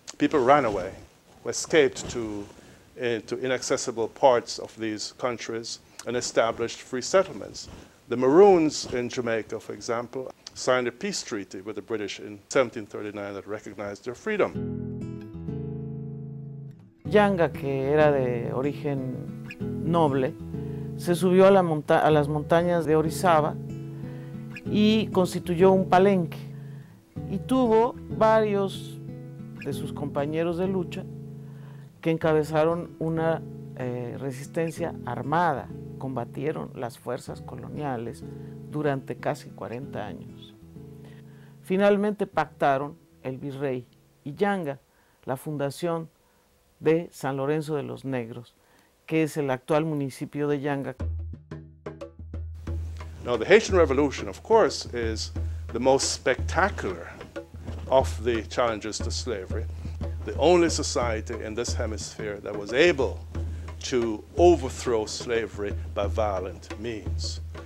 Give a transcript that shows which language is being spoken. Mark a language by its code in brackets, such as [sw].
[en] People ran away, escaped to inaccessible parts of these countries and established free settlements. The Maroons in Jamaica, for example, signed a peace treaty with the British in 1739 that recognized their freedom. [es] Yanga, que era de origen noble, se subió a, a las montañas de Orizaba y constituyó un palenque. Y tuvo varios de sus compañeros de lucha que encabezaron una resistencia armada, combatieron las fuerzas coloniales durante casi 40 años. Finalmente pactaron el virrey y Yanga la fundación de San Lorenzo de los Negros, que es el actual municipio de Yanga. [en] Now the Haitian Revolution, of course, is the most spectacular of the challenges to slavery. The only society in this hemisphere that was able to overthrow slavery by violent means.